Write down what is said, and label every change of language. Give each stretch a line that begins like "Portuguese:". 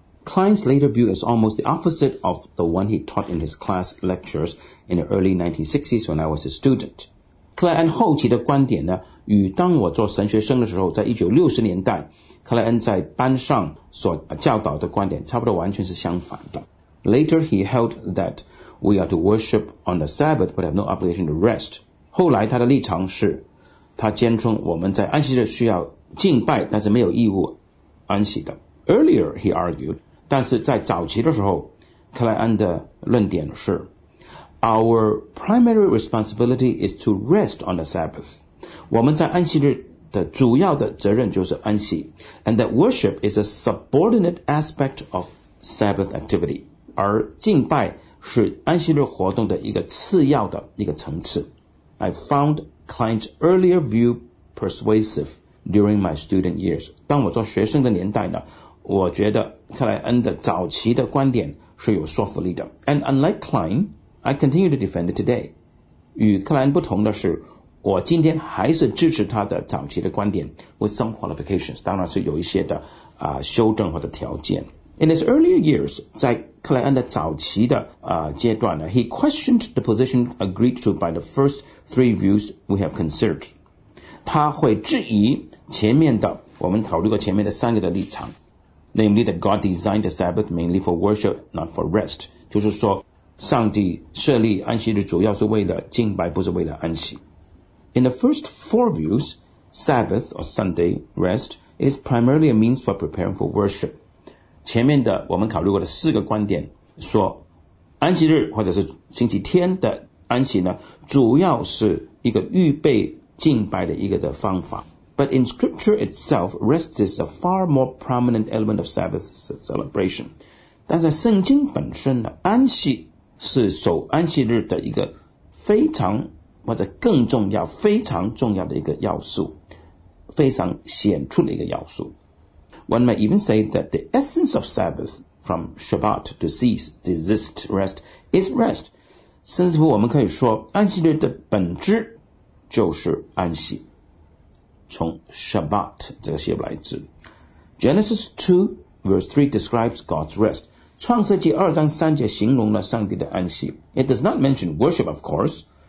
English: Klein's later view is almost the opposite of the one he taught in his class lectures in the early 1960s when I was a student.
Chinese: 克莱恩后期的观点呢，与当我做神学生的时候，在1960年代，克莱恩在班上所教导的观点差不多完全是相反的。
English: Later he held that we are to worship on the Sabbath but have no obligation to rest.
Chinese: 后来他的立场是，他坚称我们在安息日需要敬拜，但是没有义务安息的。
English: Earlier, he argued,
Chinese: 但是在早期的时候，克莱恩的论点是
English: Our primary responsibility is to rest on the Sabbath.
Chinese: 我们在安息日的主要的责任就是安息
English: and that worship is a subordinate aspect of Sabbath activity.
Chinese: 而敬拜是安息日活动的一个次要的一个层次。
English: I found Klein's earlier view persuasive during my student years.
Chinese: 当我做学生的年代呢，我觉得克莱恩的早期的观点是有说服力的。
English: And unlike Klein, I continue to defend it today.
Chinese: 与克莱恩不同的是，我今天还是支持他的早期的观点
English: with some qualifications,
Chinese: 当然是有一些的修正或者条件。
English: In his earlier years,
Chinese: 在克莱恩的早期的阶段呢，
English: he questioned the position agreed to by the first three views we have considered.
Chinese: 他会质疑前面的，我们讨论过前面的三个的立场。
English: Namely, that God designed the Sabbath mainly for worship, not for rest.
Chinese: 就是说，上帝设立安息日主要是为了敬拜，不是为了安息。
English: In the first four views, Sabbath or Sunday rest is primarily a means for preparing for worship.
Chinese: 前面的我们考虑过的四个观点说，安息日或者是星期天的安息呢，主要是一个预备敬拜的一个的方法。
English: But in scripture itself, rest is a far more prominent element of Sabbath celebration.
Chinese: 但在圣经本身呢，安息是守安息日的一个非常或者更重要非常重要的一个要素，非常显出的一个要素。
English: One may even say that the essence of Sabbath from Shabbat to cease, desist, rest is rest.
Chinese: 甚至乎我们可以说安息日的本质就是安息。从 Shabbat 这个希伯来字
English: Genesis 2 verse 3 describes God's rest
Chinese: 创世纪二章三节形容了上帝的安息
English: It does not mention worship of course